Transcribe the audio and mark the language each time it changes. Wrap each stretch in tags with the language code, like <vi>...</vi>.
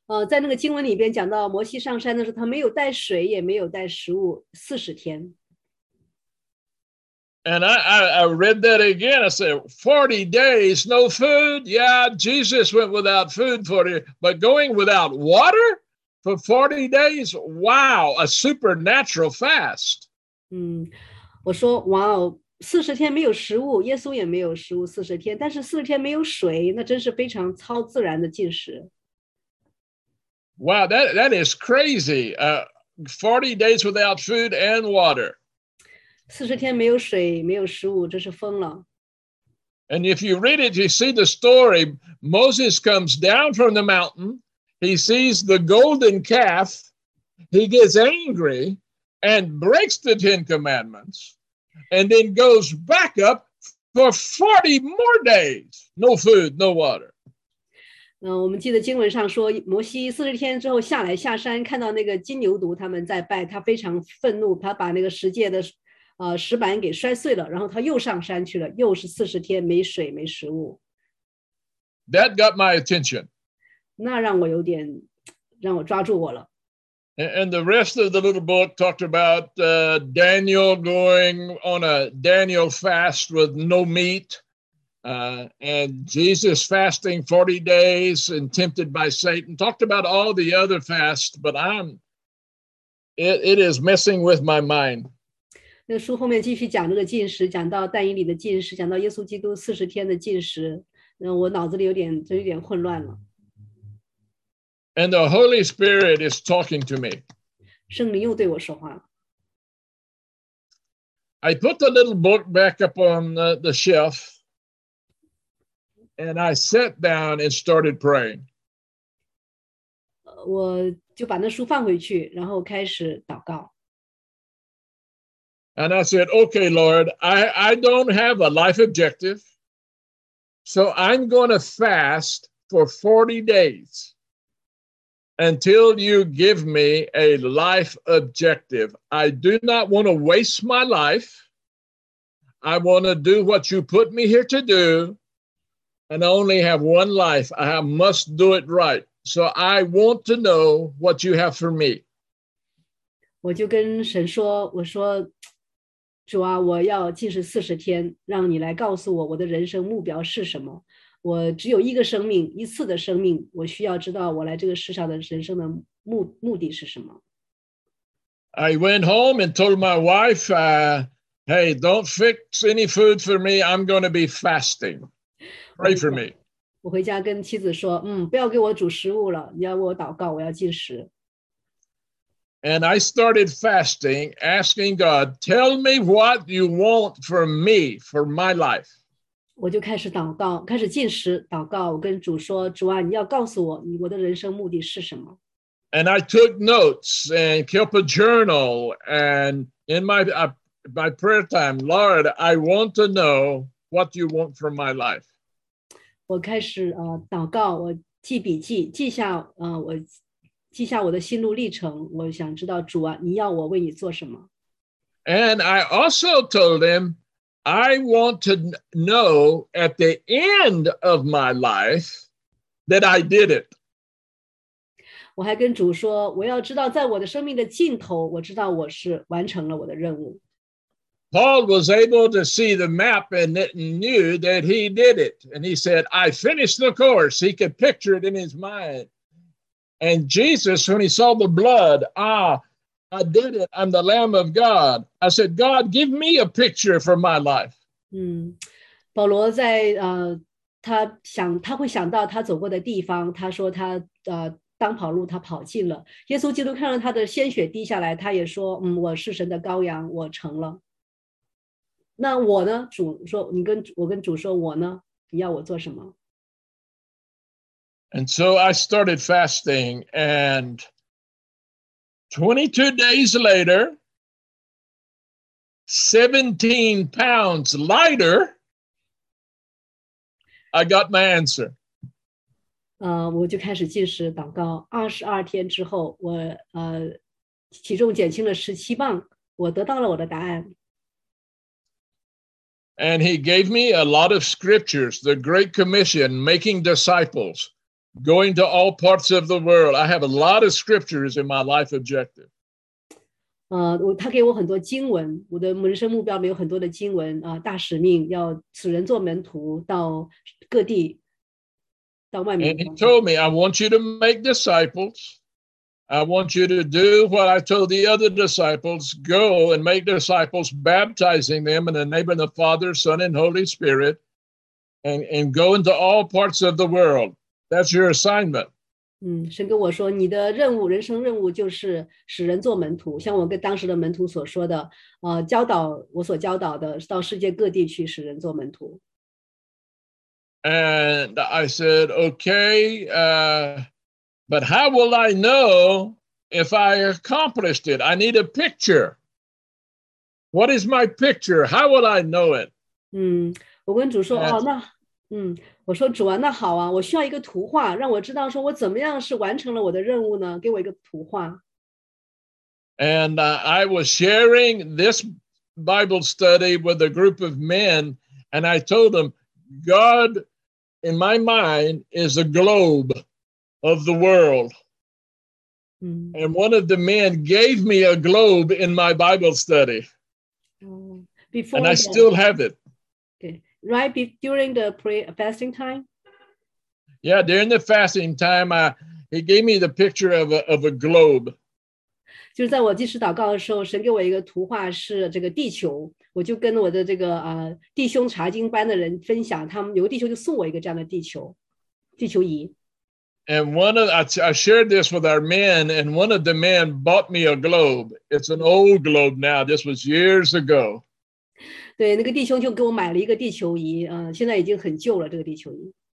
<zh>在那个经文里边讲到摩西上山的时候，他没有带水，也没有带食物，40天。</zh> <en>And I read that again. I said, 40 days, no food? Yeah, Jesus went without food for 40, but going without water for 40 days? Wow, a supernatural fast.</en> <zh>我说 wow, 40天没有食物，耶稣也没有食物40天，但是40天没有水，那真是非常超自然的禁食。</zh> <en>Wow, that is crazy. 40 days without food and water.</en> <zh>40天没有水，没有食物，这是疯了。</zh> <en>And if you read it, you see the story. Moses comes down from the mountain. He sees the golden calf. He gets angry and breaks the Ten Commandments. And then goes back up for 40 more days. No food, no water.</en> <zh>我们记得经文上说，摩西40天之后下来下山，看到那个金牛犊他们在拜，他非常愤怒，他把那个十诫的石板给摔碎了，然后他又上山去了，又是40天没水没食物。</zh> <en>That got my attention.</en> <zh>那让我有点，让我抓住我了。</zh> <en>And the rest of the little book talked about Daniel going on a Daniel fast with no meat, and Jesus fasting 40 days and tempted by Satan. Talked about all the other fasts, but it is messing with my mind.</en> <zh>那书后面继续讲这个禁食，讲到但以理的禁食，讲到耶稣基督40天的禁食，那我脑子里有点混乱了。</zh> <en>And the Holy Spirit is talking to me.</en> <zh>圣灵又对我说话。</zh> <en>I put the little book back up on the shelf, and I sat down and started praying.</en> <zh>我就把那书放回去，然后开始祷告。</zh> <en>And I said, okay, Lord, I don't have a life objective, so I'm going to fast for 40 days. Until you give me a life objective. I do not want to waste my life. I want to do what you put me here to do. And I only have one life. I must do it right. So I want to know what you have for me.</en> <zh>我就跟神说，我说，主啊，我要禁食四十天，让你来告诉我我的人生目标是什么。我只有一个生命，一次的生命，我需要知道我来这个世上的人生的目的是什么。</zh> <en>I went home and told my wife, hey, don't fix any food for me. I'm going to be fasting. Pray for me.</en> <zh>我回家跟妻子说，不要给我煮食物了，你要为我祷告，我要禁食。</zh> <en>And I started fasting, asking God, tell me what you want for me, for my life.</en> <zh>我就开始祷告，开始禁食，祷告，我跟主说，主啊，你要告诉我，我的人生目的是什么。</zh> <en>And I took notes and kept a journal. And in my prayer time, Lord, I want to know what you want for my life.</en> <zh>我开始祷告，我记笔记，记下我的心路历程。我想知道主啊，你要我为你做什么？</zh> <en>And I also told him, I want to know at the end of my life that I did it.</en> <zh>我还跟主说，我要知道在我的生命的尽头，我知道我是完成了我的任务。</zh> <en>Paul was able to see the map and knew that he did it. And he said, I finished the course. He could picture it in his mind. And Jesus, when he saw the blood, I did it. I'm the Lamb of God. I said, God, give me a picture for my life.</en> <zh>保罗在他会想到他走过的地方，他说他当跑路，他跑尽了。耶稣基督看到他的鲜血滴下来，他也说，我是神的羔羊，我成了。那我呢？主说，我跟主说，我呢？你要我做什么？</zh> <en>And so I started fasting, and 22 days later, 17 pounds lighter, I got my answer.</en> <zh>我就开始进食祷告。 22天之后，我体重减轻了17磅，我得到了我的答案。</zh> <en>And he gave me a lot of scriptures, the Great Commission, making disciples, going to all parts of the world. I have a lot of scriptures in my life objective.</en> <zh>他给我很多经文，我的人生目标里有很多的经文，大使命，要使人做门徒，到各地。</zh> <en>And he told me, I want you to make disciples. I want you to do what I told the other disciples. Go and make disciples, baptizing them in the name of the Father, Son, and Holy Spirit. And go into all parts of the world. That's your assignment.</en> <zh>神跟我说，你的任务，人生任务就是使人做门徒。像我跟当时的门徒所说的，教导，我所教导的，到世界各地去使人做门徒。</zh> <en>And I said, okay, but how will I know if I accomplished it? I need a picture. What is my picture? How will I know it?</en> <zh>我跟主说，我说主啊，那好啊，我需要一个图画，让我知道说我怎么样是完成了我的任务呢？给我一个图画。</zh> <en>And I was sharing this Bible study with a group of men, and I told them, God, in my mind, is a globe of the world. And one of the men gave me a globe in my Bible study. Before and I still have it. Okay. Right during the fasting time? Yeah, during the fasting time, he gave me the picture of a globe.</en> <zh>就在我进食祷告的时候，神给我一个图画是这个地球。我就跟我的这个弟兄查经班的人分享，他们有个弟兄就送我一个这样的地球仪。</zh> <en>And I shared this with our men, and one of the men bought me a globe. It's an old globe now. This was years ago.</en> <zh>对，那个弟兄就给我买了一个地球仪，现在已经很旧了这个地球仪。</zh>